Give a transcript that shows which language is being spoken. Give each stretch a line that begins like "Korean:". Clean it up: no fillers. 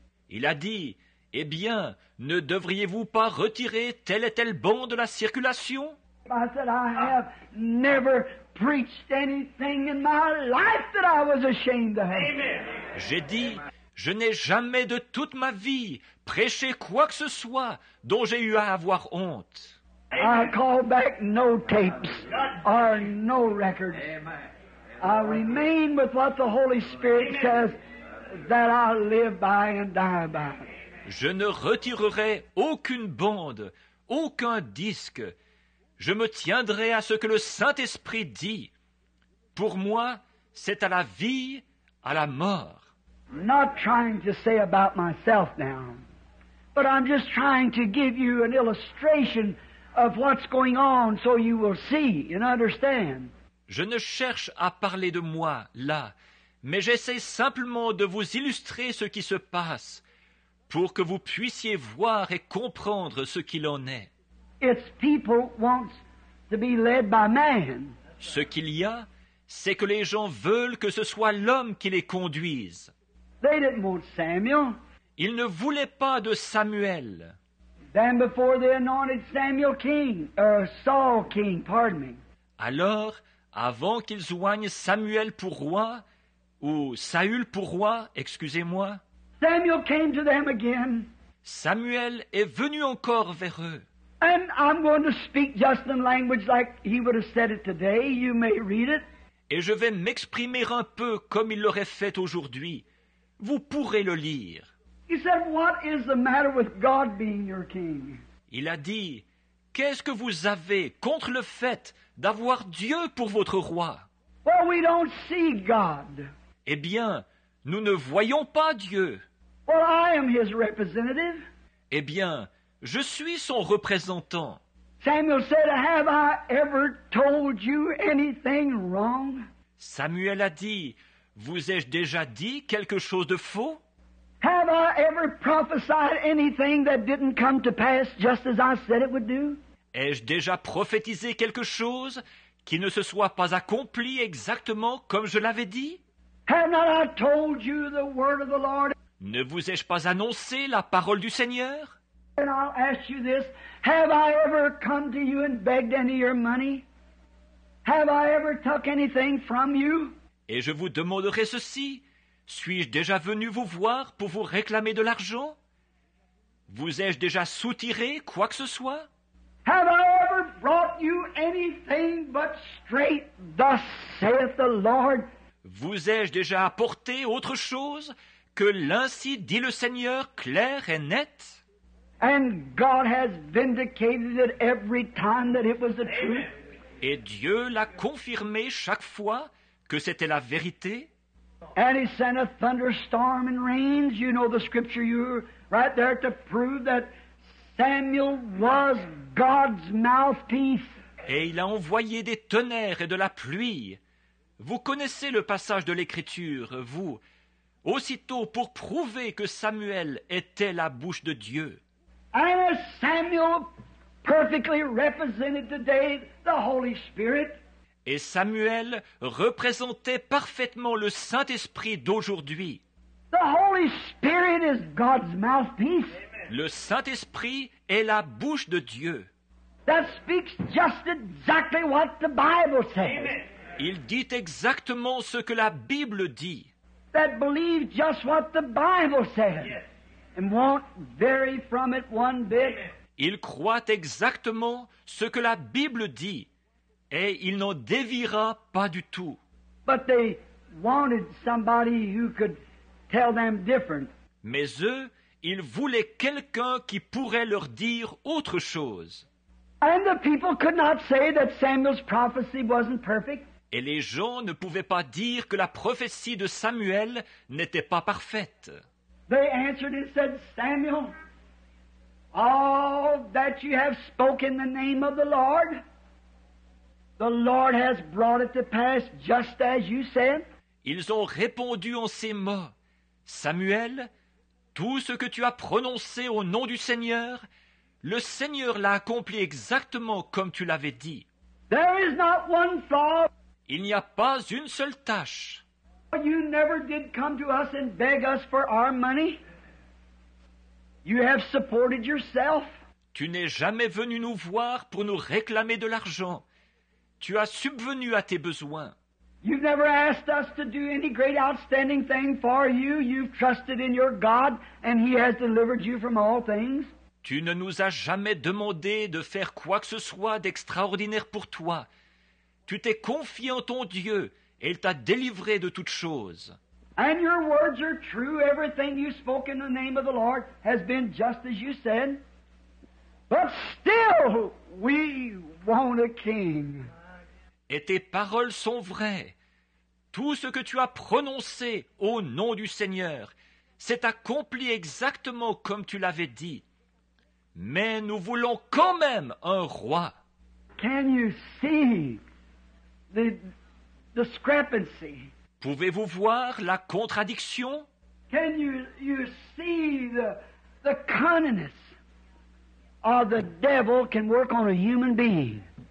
French: Il a dit, eh bien, ne devriez-vous pas retirer tel et tel banc de la circulation?
English: I said, I have never preached anything in my life that I was ashamed of. Amen.
French: J'ai dit, je n'ai jamais de toute ma vie prêché quoi que ce soit dont j'ai eu à avoir honte.
English: I call back no tapes or no records. I remain with what the Holy Spirit says that I live by and die by.
French: Je ne retirerai aucune bande, aucun disque. Je me tiendrai à ce que le Saint-Esprit dit. Pour moi, c'est à la vie, à la mort.
English: Not trying to say about myself now, but I'm just trying to give you an illustration of what's going on so you will see and understand.
French: Je ne cherche à parler de moi là, mais j'essaie simplement de vous illustrer ce qui se passe pour que vous puissiez voir et comprendre ce qu'il en est.
English: It's people wants to be led by man.
French: Ce qu'il y a, c'est que les gens veulent que ce soit l'homme qui les conduise.
English: They didn't want Samuel.
French: Ils ne voulaient pas de Samuel.
English: Then before they anointed Samuel king, Saul king, pardon me.
French: Alors, avant qu'ils oignent Samuel pour roi, ou Saül pour roi, excusez-moi.
English: Samuel came to them again.
French: Samuel est venu encore vers eux.
English: And I'm going to speak just in language like he would have said it today. You may read it.
French: Et je vais m'exprimer un peu comme il l'aurait fait aujourd'hui. Vous pourrez le lire.
English: He said, "What is the matter with God being your king?"
French: Il a dit, qu'est-ce que vous avez contre le fait d'avoir Dieu pour votre roi?
English: Well, we don't see God.
French: Eh bien, nous ne voyons pas Dieu.
English: Well, I am his representative.
French: Eh bien, je suis son représentant.
English: Samuel said, "Have I ever told you anything wrong?"
French: Samuel a dit, vous ai-je déjà dit quelque chose de faux?
English: "Have I ever prophesied anything that didn't come to pass just as I said it would do?"
French: Ai-je déjà prophétisé quelque chose qui ne se soit pas accompli exactement comme je l'avais dit?
English: "Have not I told you the word of the Lord?"
French: Ne vous ai-je pas annoncé la parole du Seigneur?
English: "And I'll ask you this, have I ever come to you and begged any of your money? Have I ever took anything from you?"
French: Et je vous demanderai ceci, suis-je déjà venu vous voir pour vous réclamer de l'argent? Vous ai-je déjà soutiré quoi que ce soit?
English: "Have I ever brought you anything but straight, thus saith the Lord?"
French: Vous ai-je déjà apporté autre chose que l'ainsi dit le Seigneur clair et net?
English: "And God has vindicated it every time that it was the truth."
French: Et Dieu l'a confirmé chaque fois que c'était la vérité.
English: "And he sent a thunderstorm and rains." You know the scripture, you're right there to prove that Samuel was God's mouthpiece.
French: Et il a envoyé des tonnerres et de la pluie. Vous connaissez le passage de l'Écriture, vous, aussitôt pour prouver que Samuel était la bouche de Dieu.
English: "And as Samuel perfectly represented today the Holy Spirit."
French: Et Samuel représentait parfaitement le Saint-Esprit d'aujourd'hui.
English: "The Holy Spirit is God's mouthpiece."
French: Le Saint-Esprit est la bouche de Dieu.
English: "That speaks just exactly what the Bible says." Amen.
French: Il dit exactement ce que la Bible dit.
English: "That believes just what the Bible says." Yes. "And won't vary from it one bit."
French: Il croit exactement ce que la Bible dit, et il n'en déviera pas du tout.
English: "But they wanted somebody who could tell them different."
French: Mais eux, ils voulaient quelqu'un qui pourrait leur dire autre chose.
English: "And the people could not say that Samuel's prophecy wasn't perfect."
French: Et les gens ne pouvaient pas dire que la prophétie de Samuel n'était pas parfaite.
English: They answered and said, Samuel, all that you have spoken in the name of the Lord has brought it to pass just as you said.
French: Ils ont répondu en ces mots, Samuel, tout ce que tu as prononcé au nom du Seigneur, le Seigneur l'a accompli exactement comme tu l'avais dit.
English: There is not one flaw.
French: Il n'y a pas une seule tâche.
English: You never did come to us and beg us for our money. You have supported yourself.
French: Tu n'es jamais venu nous voir pour nous réclamer de l'argent. Tu as subvenu à tes besoins.
English: You've never asked us to do any great outstanding thing for you. You've trusted in your God and he has delivered you from all things.
French: Tu ne nous as jamais demandé de faire quoi que ce soit d'extraordinaire pour toi. Tu t'es confié en ton Dieu et il t'a délivré de toutes choses.
English: And your words are true. Everything you spoke in the name of the Lord has been just as you said. But still, we want a king.
French: Et tes paroles sont vraies. Tout ce que tu as prononcé au nom du Seigneur s'est accompli exactement comme tu l'avais dit. Mais nous voulons quand même un roi.
English: Can you see the discrepancy?
French: Pouvez-vous voir la contradiction?
English: Can you see the cunningness of the devil can work on a human being?